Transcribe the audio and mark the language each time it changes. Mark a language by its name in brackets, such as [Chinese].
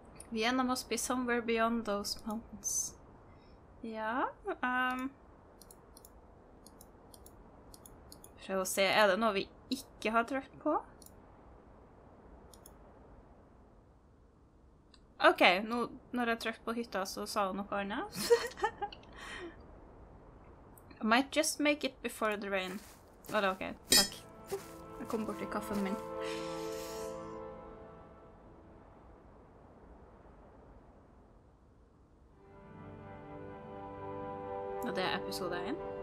[English] Vienna must be somewhere beyond those mountains. [Norwegian] Ja, prøv å se, er det noe vi ikke har trykt på? Ok, nå, når jeg trykt på hytta, så sa hun noe annet. [English] I might just make it before the rain. [Norwegian] Var det ok, takk. Jeg kom bort til kaffen min. Og det er episode 1.